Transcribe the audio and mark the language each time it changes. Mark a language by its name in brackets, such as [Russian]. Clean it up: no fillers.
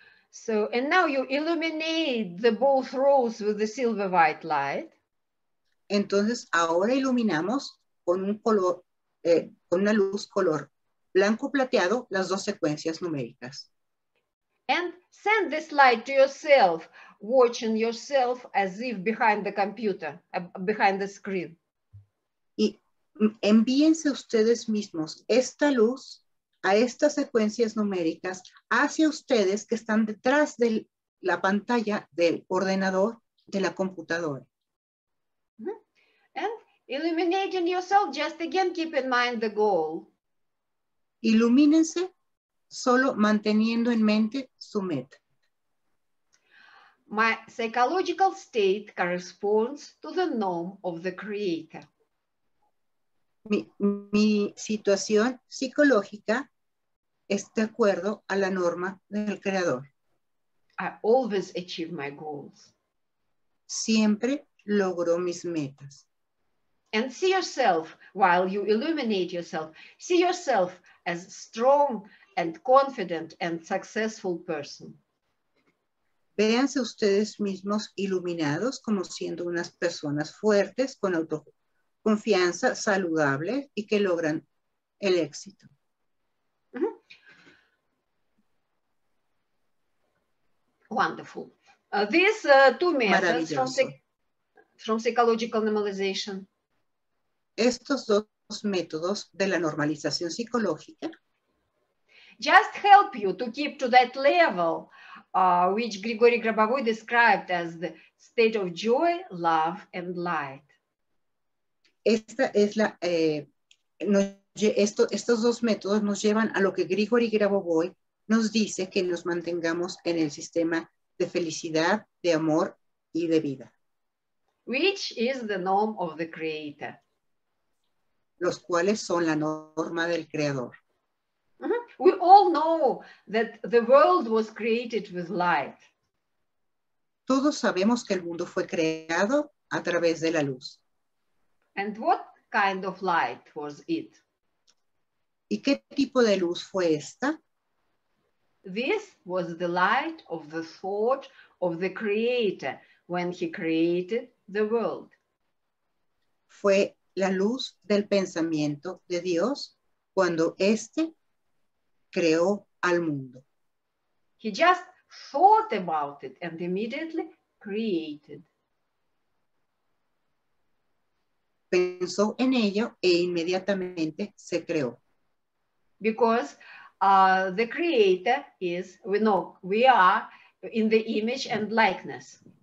[English] So, and now you illuminate the both rows with the silver white light. [Spanish] Entonces, ahora iluminamos con un color, con una luz color blanco plateado las dos secuencias numéricas. [English] And send this light to yourself, watching yourself as if behind the computer, behind the screen. [Spanish] Envíense ustedes mismos esta luz a estas secuencias numéricas hacia ustedes que están detrás de la pantalla del ordenador de la computadora. [English] And illuminating yourself, just again keep in mind the goal. [Spanish] Ilumínense solo manteniendo en mente su meta. [English] My psychological state corresponds to the norm of the creator. [Spanish] Mi situación psicológica es de acuerdo a la norma del creador. [English] I always achieve my goals. [Spanish] Siempre logro mis metas. [English] And see yourself, while you illuminate yourself, see yourself as strong and confident and successful person. [Spanish] Véanse ustedes mismos iluminados como siendo unas personas fuertes con confianza saludable y que logran el éxito. [English] Wonderful. These two methods from psychological normalization. [Spanish] Estos dos métodos de la normalización psicológica [English] just help you to keep to that level which Grigori Grabovoi described as the state of joy, love and light. [Spanish] Esta es la, estos dos métodos nos llevan a lo que Grigori Grabovoi nos dice que nos mantengamos en el sistema de felicidad, de amor y de vida. [English] Which is the norm of the creator? [Spanish] Los cuales son la norma del creador. [English] We all know that the world was created with light. [Spanish] Todos sabemos que el mundo fue creado a través de la luz. [English] And what kind of light was it? [Spanish] ¿Y qué tipo de luz fue esta? [English] This was the light of the thought of the creator when he created the world. [Spanish] Fue la luz del pensamiento de Dios cuando este creó al mundo. [English] He just thought about it and immediately created. [Spanish] Pensó en ello e inmediatamente se creó. [English] Because the creator is, we are in the image and likeness.